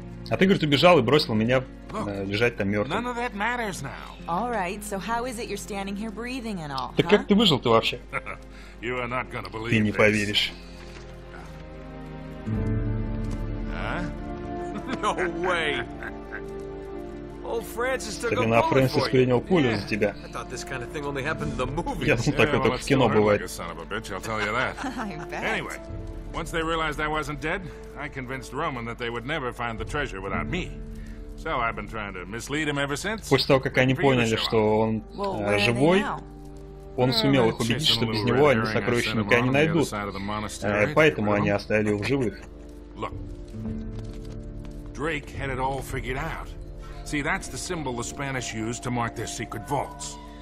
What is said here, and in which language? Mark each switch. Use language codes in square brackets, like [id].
[ru] А ты, говорит, убежал и бросил меня лежать там мертвым. [en] None of that matters now. All right, so how is it you're standing here breathing and all? [ru] Так как ты выжил ты вообще? [en] You are not gonna believe this. [ru] Ты не поверишь. [en] No way. Old Francis took a bullet. [ru] Старина Фрэнсис принял пулю за тебя. [en] I thought this kind of thing only happened in the movies. [ru] Я думал, такое только в кино бывает. [en] Son of a bitch, I'll tell you that. Anyway, once they realized I wasn't dead, I convinced Roman that they would never find the treasure without me. So I've been trying to mislead him ever since. [ru] После того, как они поняли, что он живой. Он сумел их убедить, что без него они сокровища никогда не найдут. Поэтому они оставили его в живых. [en] Drake had it all figured out. See, that's the symbol the Spanish used to mark their secret vaults.